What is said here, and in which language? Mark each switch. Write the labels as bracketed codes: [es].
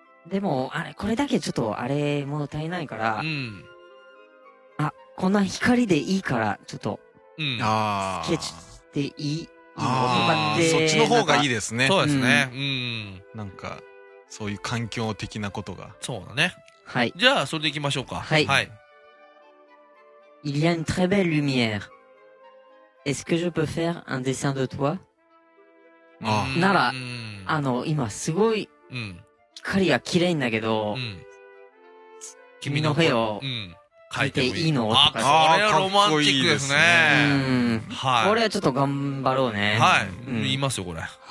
[ja] でも、あれ、これだけちょっと、あれ、物足りないから。あ、こんな光でいいから、ちょっと。スケッチ。そっちの方がいいですね。そうですね。なんか、そういう環境的なことが。そうだね。はい。じゃあ、それで行きましょうか。 [fr] はい。Il y a une très belle lumière. est-ce que je peux faire un dessin de toi？ [ja] なら、あの、今すごい、光が綺麗だけど、君の絵を描いていいの？とか、あ、これはロマンチックですね。はい。これはちょっと頑張ろうね。はい。言いますよ、これ。